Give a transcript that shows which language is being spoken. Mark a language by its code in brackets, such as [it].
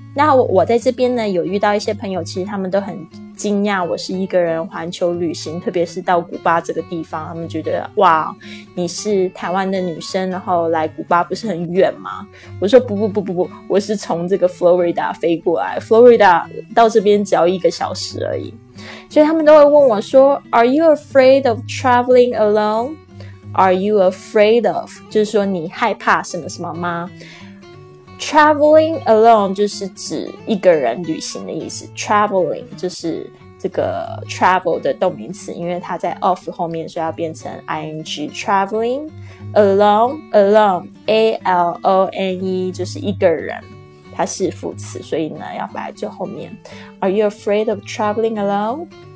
[zh] 那 我在这边呢有遇到一些朋友，其实他们都很惊讶我是一个人环球旅行，特别是到古巴这个地方，他们觉得哇你是台湾的女生然后来古巴不是很远吗？我说不，我是从这个 Florida 飞过来， Florida 到这边只要一个小时而已。所以他们都会问我说 [en] Are you afraid of traveling alone? Are you afraid of? [zh] 就是说你害怕什么什么吗？Traveling alone 就是指一个人旅行的意思， Traveling 就是这个 travel 的动名词，因为它在 of 后面所以要变成 ing Traveling alone A-L-O-N-E 就是一个人，它是副词，所以呢要摆在最后面。 [en] Are you afraid of traveling alone?